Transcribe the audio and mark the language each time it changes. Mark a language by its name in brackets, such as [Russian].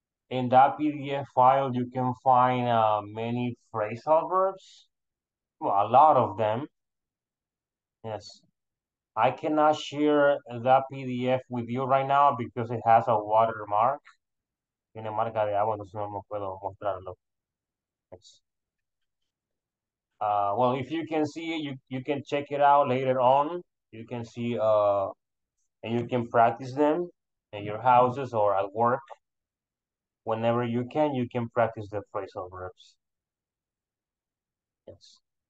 [English] In that PDF file, you can find many phrasal verbs, well, a lot of them. Yes, I cannot share that PDF with you right now because it has a watermark. [Spanish] Tiene marca de agua, entonces no puedo mostrarlo. [English] Yes. Well, if you can see it, you can check it out later on. You can see and you can practice them in your houses or at work. Whenever you can practice the phrasal verbs. Yes.